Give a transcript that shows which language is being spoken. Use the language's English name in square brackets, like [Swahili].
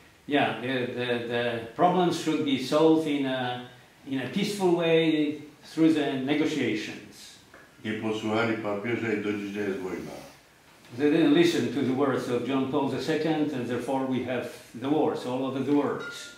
[English] Yeah, the problems should be solved in a peaceful way through the negotiations. [Polish] Nie posłuchali papieża i do dzisiaj jest wojna. [English] They didn't listen to the words of John Paul II, and therefore we have the wars all over the world.